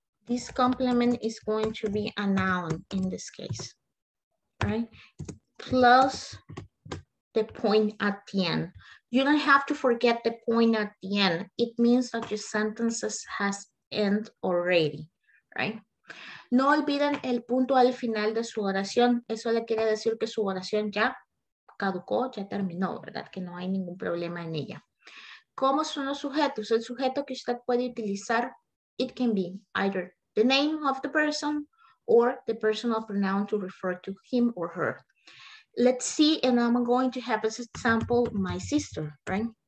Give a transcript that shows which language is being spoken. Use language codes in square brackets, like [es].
[en] this complement is going to be a noun in this case, right? Plus the point at the end. You don't have to forget the point at the end. It means that your sentences has end already, right? [es] No olviden el punto al final de su oración. Eso le quiere decir que su oración ya caducó, ya terminó, ¿verdad? Que no hay ningún problema en ella. ¿Cómo son los sujetos? El sujeto que usted puede utilizar, [en] it can be either the name of the person or the personal pronoun to refer to him or her. Let's see, and I'm going to have as an example, my sister, right?